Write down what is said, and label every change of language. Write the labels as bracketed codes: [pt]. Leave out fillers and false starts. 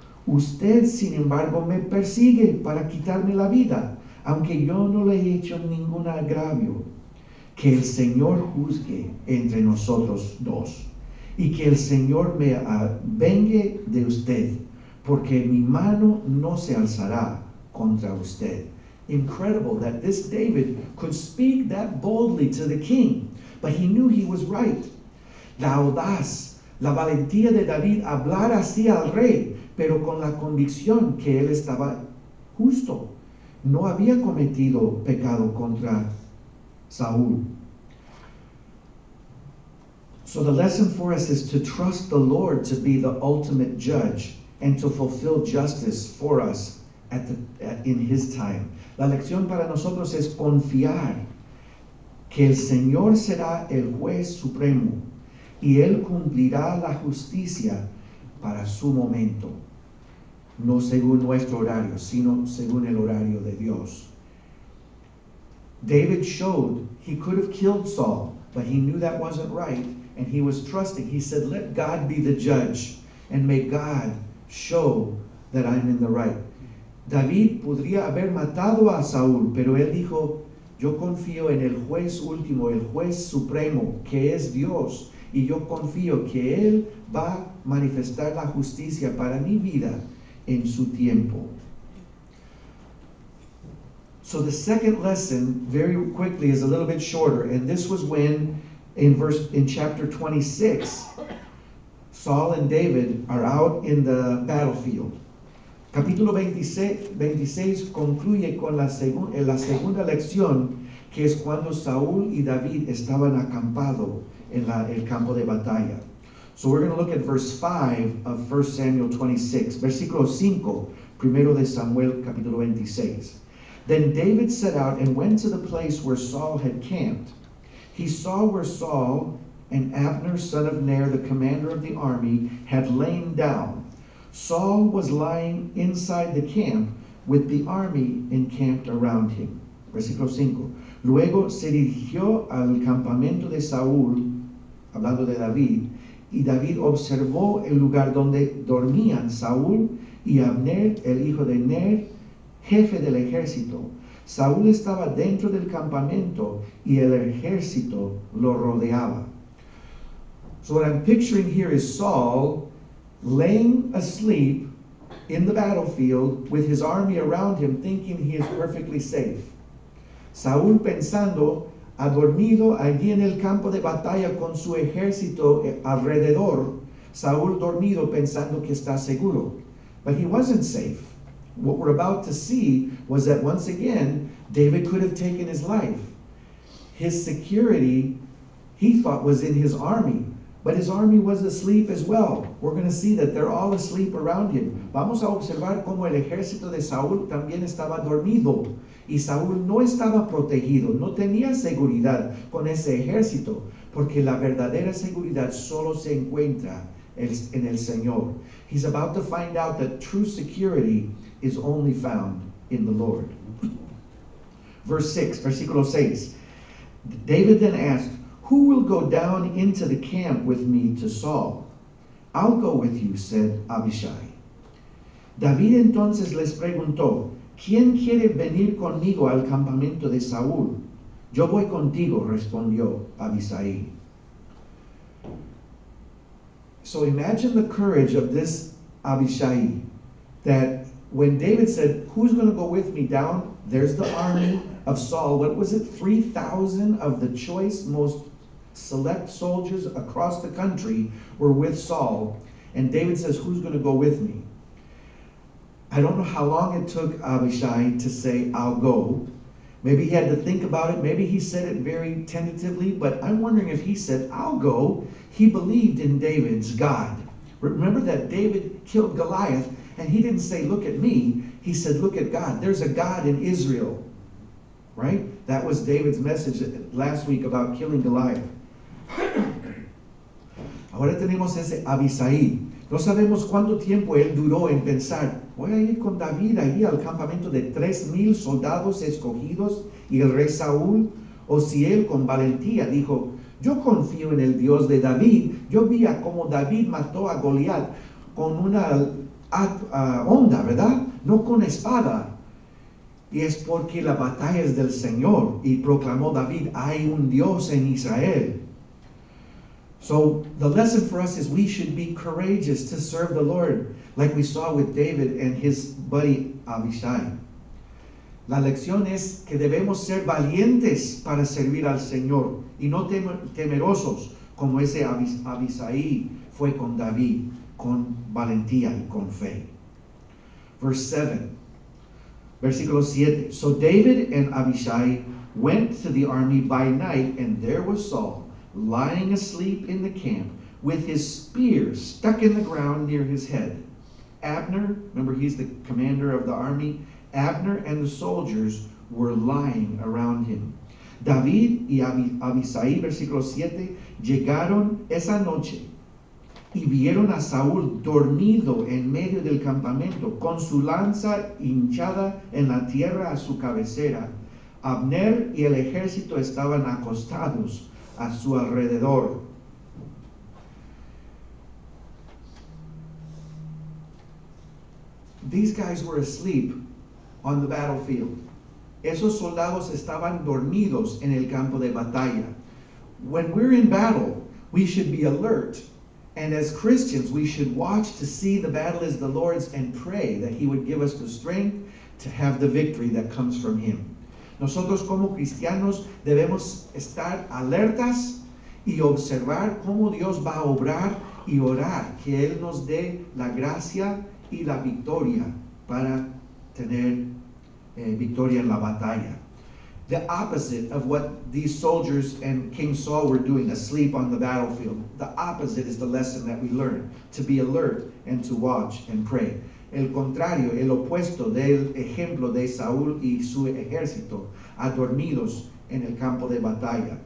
[es] Usted, sin embargo, me persigue para quitarme la vida, aunque yo no le he hecho ningún agravio. Que el Señor juzgue entre nosotros dos y que el Señor me vengue de usted, porque mi mano no se alzará contra usted." [en] Incredible that this David could speak that boldly to the king, but he knew he was right. [es] La audaz, la valentía de David hablar así al rey, pero con la convicción que él estaba justo. No había cometido pecado contra Saúl. [en] So the lesson for us is to trust the Lord to be the ultimate judge and to fulfill justice for us in his time. [es] La lección para nosotros es confiar que el Señor será el juez supremo y él cumplirá la justicia para su momento. No según nuestro horario, sino según el horario de Dios. [en] David showed he could have killed Saul, but he knew that wasn't right, and he was trusting. He said, "Let God be the judge, and may God show that I'm in the right." [es] David podría haber matado a Saúl, pero él dijo, "Yo confío en el juez último, el juez supremo, que es Dios, y yo confío que él va a manifestar la justicia para mi vida en su tiempo." [en] So the second lesson, very quickly, is a little bit shorter, and this was when, in chapter 26, Saul and David are out in the battlefield. [es] Capítulo 26 concluye con la segunda lección, que es cuando Saúl y David estaban acampado en la, el campo de batalla. [en] So we're going to look at verse 5 of 1 Samuel 26. [es] Versículo 5, primero de Samuel, capítulo 26. [en] Then David set out and went to the place where Saul had camped. He saw where Saul and Abner, son of Ner, the commander of the army, had lain down. Saul was lying inside the camp with the army encamped around him. [es] Versículo 5. Luego se dirigió al campamento de Saúl, hablando de David, y David observó el lugar donde dormían Saúl y Abner, el hijo de Ner, jefe del ejército. Saúl estaba dentro del campamento y el ejército lo rodeaba. [en] So what I'm picturing here is Saul laying asleep in the battlefield with his army around him, thinking he is perfectly safe. [es] Saúl pensando, ha dormido allí en el campo de batalla con su ejército alrededor. Saúl dormido pensando que está seguro. [en] But he wasn't safe. What we're about to see was that once again, David could have taken his life. His security, he thought, was in his army. But his army was asleep as well. We're going to see that they're all asleep around him. [es] Vamos a observar cómo el ejército de Saúl también estaba dormido. Y Saúl no estaba protegido, no tenía seguridad con ese ejército. Porque la verdadera seguridad solo se encuentra en el Señor. [en] He's about to find out that true security is only found in the Lord. Verse 6, [es] versículo 6. [en] David then asked, "Who will go down into the camp with me to Saul?" "I'll go with you," said Abishai. [es] David entonces les preguntó, "¿Quién quiere venir conmigo al campamento de Saúl?" "Yo voy contigo," respondió Abishai. [en] So imagine the courage of this Abishai, that when David said, "Who's going to go with me down?" There's the army of Saul. What was it? 3,000 of the choice, most select soldiers across the country were with Saul. And David says, "Who's going to go with me?" I don't know how long it took Abishai to say, "I'll go." Maybe he had to think about it. Maybe he said it very tentatively. But I'm wondering if he said, "I'll go." He believed in David's God. Remember that David killed Goliath. And he didn't say, "Look at me." He said, "Look at God. There's a God in Israel." Right? That was David's message last week about killing Goliath. [es] Ahora tenemos ese Abishai. No sabemos cuánto tiempo él duró en pensar, voy a ir con David ahí al campamento de 3,000 soldados escogidos y el rey Saúl. O si él con valentía dijo, "Yo confío en el Dios de David. Yo vi a cómo David mató a Goliat con una onda, ¿verdad? No con espada." Y es porque la batalla es del Señor. Y proclamó David, "Hay un Dios en Israel." [en] So the lesson for us is we should be courageous to serve the Lord, like we saw with David and his buddy Abishai. [es] La lección es que debemos ser valientes para servir al Señor y no temerosos como ese Abishai fue con David, con valentía y con fe. [en] Verse 7, [es] versículo 7. [en] So David and Abishai went to the army by night, and there was Saul lying asleep in the camp with his spear stuck in the ground near his head. Abner, remember he's the commander of the army, Abner and the soldiers were lying around him. [es] David y Abishai, versículo 7, llegaron esa noche y vieron a Saúl dormido en medio del campamento con su lanza hinchada en la tierra a su cabecera. Abner y el ejército estaban acostados a su alrededor. [en] These guys were asleep on the battlefield. [es] Esos soldados estaban dormidos en el campo de batalla. [en] When we're in battle, we should be alert. And as Christians, we should watch to see the battle is the Lord's and pray that He would give us the strength to have the victory that comes from Him. [es] Nosotros como cristianos debemos estar alertas y observar cómo Dios va a obrar y orar que Él nos dé la gracia y la victoria para tener victoria en la batalla. [en] the opposite of what these soldiers and King Saul were doing asleep on the battlefield. The opposite is the lesson that we learn, to be alert and to watch and pray. [es] El contrario, el opuesto del ejemplo de Saúl y su ejército, adormidos en el campo de batalla.